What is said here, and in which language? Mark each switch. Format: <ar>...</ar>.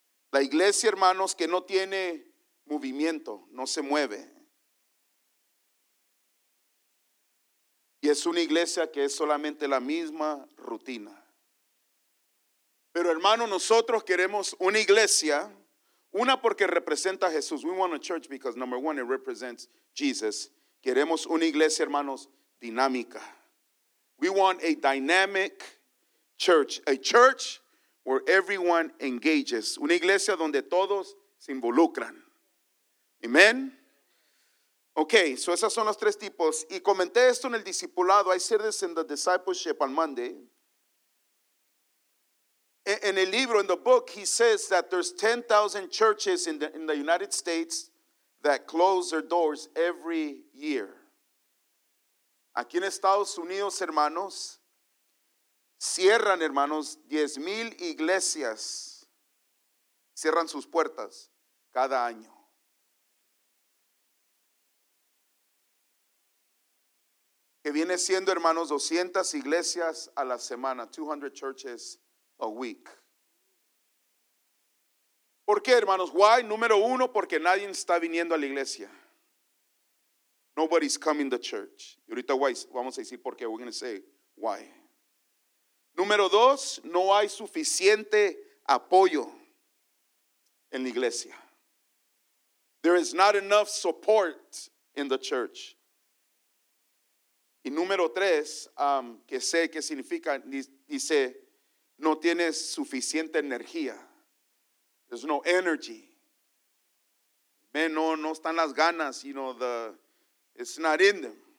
<es>La iglesia, hermanos, que no tiene movimiento, no se mueve. Y es una iglesia que es solamente la misma rutina. Pero, hermano, nosotros queremos una iglesia, una porque representa a Jesús.</es> <en>We want a church because, number one, it represents Jesus.</en> <es>Queremos una iglesia, hermanos, dinámica.</es> <en>We want a dynamic church, a church where everyone engages.</en> <es>Una iglesia donde todos se involucran. Amen. Okay, so esas son los tres tipos. Y comenté esto en el discipulado.</es> <en>I said this in the discipleship on Monday.</en> <es>En el libro,</es> <en>in the book, he says that there's 10,000 churches in the United States that close their doors every year.</en> <es>Aquí en Estados Unidos, hermanos, cierran, hermanos, 10,000 iglesias, cierran sus puertas cada año. Que viene siendo, hermanos, 200 iglesias a la semana,</es> <en>200 churches a week.</en> <es>¿Por qué, hermanos?</es> <en>Why?</en> <es>Número uno, porque nadie está viniendo a la iglesia.</es> <en>Nobody's coming to church.</en> <es>Y ahorita vamos a decir por qué.</es> <en>We're going to say why.</en> <es>Número dos, no hay suficiente apoyo en la iglesia.</es> <en>There is not enough support in the church.</en> <es>Y número tres, que sé qué significa, dice, no tienes suficiente energía.</es> <en>There's no energy.</en> <es>No están las ganas,</es> <en>you know, it's not in them.</en>